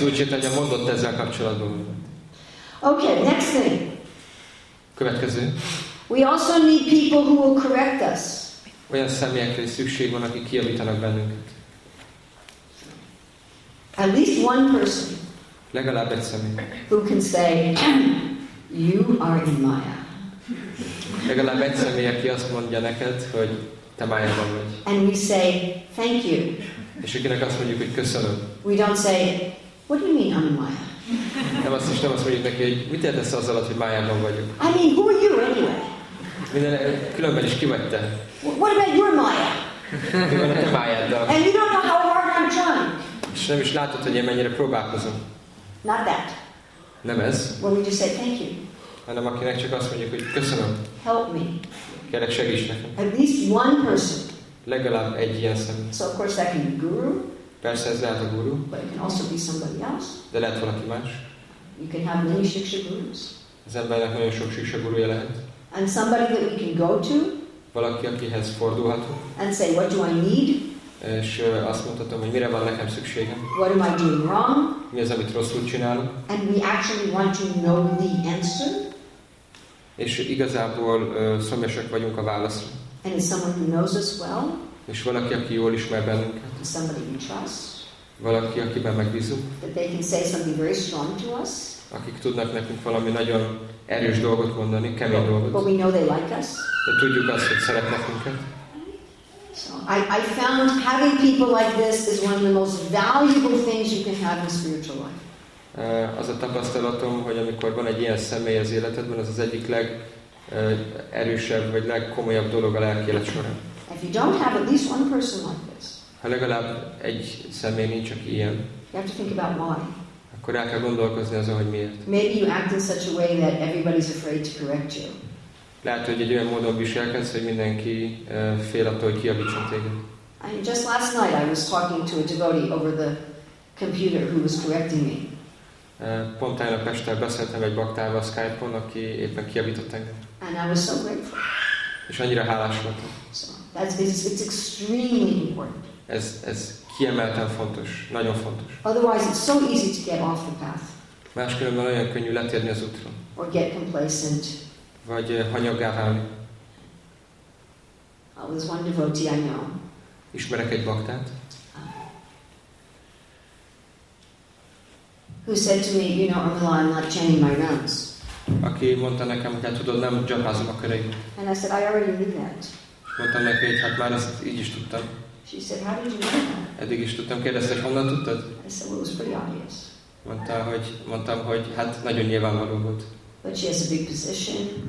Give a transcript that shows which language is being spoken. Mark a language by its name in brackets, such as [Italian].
[Hungarian] Lord Chaitanya mondott ezzel kapcsolatban. [English] Okay, next thing. [Hungarian] Következő. [English] We also need people who will correct us. [Hungarian] Olyan személyekre is szükség van, akik kijavítanak bennünket. [English] At least one person. [Hungarian] Legalább egy személy. [English] Who can say, you are in Maya. [Hungarian] Legalább egy személy, aki azt mondja neked, hogy te Mayában vagy. [English] And we say, thank you. [Hungarian] És akinek azt mondjuk, hogy köszönöm. [English] We don't say, what do you mean I'm in Maya? [Hungarian] Nem azt is, nem azt mondjuk neki, hogy mit értesz az alatt, hogy Mayában vagyok. [English] I mean, who are you anyway? [Hungarian] Minden különben is kimette. [English] What about your Maya? [Hungarian] Mi van a te Mayáddal? [English] And you don't know how hard I'm trying. [Hungarian] És nem is látod, hogy én mennyire próbálkozom. [English] Not that. [Hungarian] Nem ez. [English] When we just say thank you. [Hungarian] Hanem akinek csak azt mondjuk, hogy köszönöm. [English] Help me. [Hungarian] Kérlek, segíts nekem. [English] At least one person. [Hungarian] Legalább egy ilyen személy. [English] So of course that can be guru. [Hungarian] Persze ez lehet a guru. [English] But it can also be somebody else. [Hungarian] De lehet valaki más. [English] You can have many shiksha gurus. [Hungarian] Az embernek nagyon sok shiksha gurúja lehet. [English] And somebody that we can go to. [Hungarian] Valaki, akihez fordulhatunk. [English] And say, what do I need? [Hungarian] És azt mondhatom, hogy mire van nekem szükségem. [English] What am I doing wrong? [Hungarian] Mi az, amit rosszul csinálok? [English] And we actually want to know the answer. [Hungarian] És igazából szomjasak vagyunk a válaszra. [English] And is someone who knows us well. [Hungarian] És valaki, aki jól ismer bennünket. [English] Is somebody we trust. [Hungarian] Valaki, akiben megbízunk. [English] That they can say something very strong to us. [Hungarian] Akik tudnak nekünk valami nagyon erős dolgot mondani, kemény dolgot. [English] But we know they like us. [Hungarian] De tudjuk azt, hogy szeretnek minket. [English] I found having people like this is one of the most valuable things you can have in spiritual life. [Hungarian] Az a tapasztalatom, hogy amikor van egy ilyen személy az életedben, az az egyik legerősebb vagy legkomolyabb dolog a lelki élet során. [English] If you don't have at least one person like this, [Hungarian] ha legalább egy személy nincs, aki ilyen, [English] you have to think about why. [Hungarian] Akkor el kell gondolkozni azon, hogy miért. [English] Maybe you act in such a way that everybody's afraid to correct you. [Hungarian] Lehet, hogy egy olyan módon viselkedsz, hogy mindenki fél attól, hogy kiabítson téged. [English] And just last night I was talking to a devotee over the computer who was correcting me. [Hungarian] Pont tegnap este beszéltem egy baktával Skype-on, aki éppen kiabított engem. [English] And I was so grateful. [Hungarian] És annyira hálás voltam. [English] So, it's extremely important. [Hungarian] Ez kiemelten fontos, nagyon fontos. [English] Otherwise it's so easy to get off the path. [Hungarian] Máskülönben olyan könnyű letérni az útról. [English] Or get complacent. [Hungarian] Vagy hanyaggá válni. [English] I was one devotee I know. [Hungarian] Ismerek egy baktát. [English] Who said to me, you know, Amala, I'm not chanting my rounds. [Hungarian] Aki mondta nekem, hogy hát tudod, nem japázom a köreim. [English] And I said, I already knew that. [Hungarian] Mondtam neki, hogy hát már azt így is tudtam. [English] She said, how did you know that? [Hungarian] Eddig is tudtam, kérdezte, honnan tudtad? [English] I said, well, it was pretty obvious. [Hungarian] Mondtam, hogy hát nagyon nyilvánvaló volt. [English] But she has a big position.